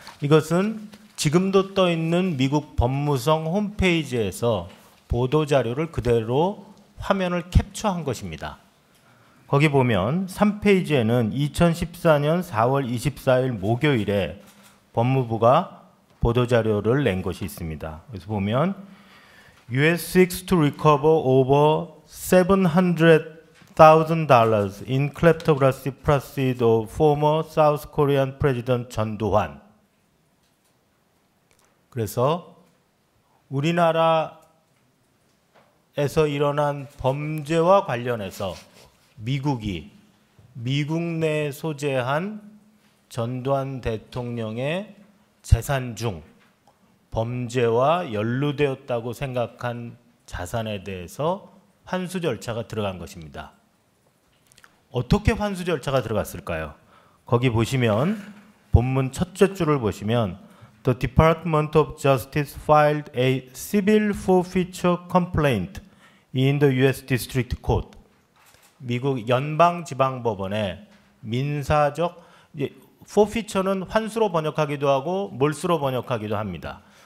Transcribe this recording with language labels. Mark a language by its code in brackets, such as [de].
[ko] 이것은 지금도 떠 있는 미국 법무성 홈페이지에서 보도 자료를 그대로 화면을 캡처한 것입니다. 거기 보면 3페이지에는 2014년 4월 24일 목요일에 법무부가 보도자료를 낸 것이 있습니다. [en] 그래서 보면 US seeks to recover over $700,000 in kleptocracy proceeds of former South Korean President 전두환. [ko] 그래서 우리나라에서 일어난 범죄와 관련해서 미국이 미국 내 소재한 전두환 대통령의 재산 중 범죄와 연루되었다고 생각한 자산에 대해서 환수 절차가 들어간 것입니다. 어떻게 환수 절차가 들어갔을까요? 거기 보시면 본문 첫째 줄을 보시면 [en] The Department of Justice filed a civil forfeiture complaint in the U.S. District Court. [ko] 미국 연방지방법원에 민사적 forfeiture는 환수로 번역하기도 하고 몰수로 번역하기도 합니다.